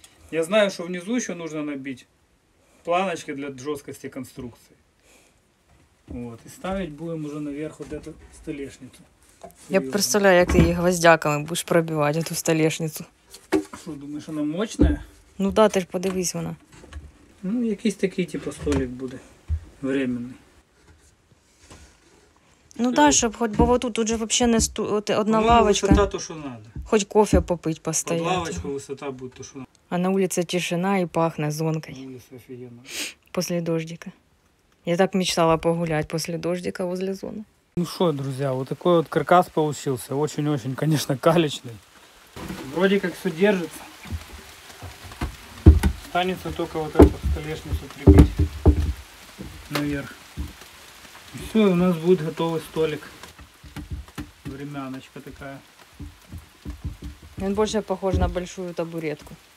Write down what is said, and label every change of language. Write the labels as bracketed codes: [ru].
[ru] Я знаю, что внизу еще нужно набить планочки для жесткости конструкции. Вот. И ставить будем уже наверх вот эту столешницу. Серьезно. Я представляю, как ты ей гвоздяками будешь пробивать эту столешницу. Что, думаешь, она мощная? Ну да, ты же подивись, она. [uk] Ну, якийсь такий, типу, столик буде. Временний. Ну, так, да, щоб хоч, бо отут, тут же взагалі не стоїть, одна ну, лавочка. Ну, висота то, що треба. [ru] Хоч кофе попить постоять. [uk] Под лавочку висота буде то, що треба. А на вулиці тишина і пахне зонкою. На вулиці офігенно. [ru] Після дождика. Я так мечтала погуляти після дождика возле зони. [uk] Ну, що, друзі, ось такий от каркас вийшовся. [ru] Очень-очень, [uk] звісно, калічний. Вроді як все держиться. [ru] Останется только вот эту столешницу прибить наверх. И все, у нас будет готовый столик. Времяночка такая. Он больше похож на большую табуретку.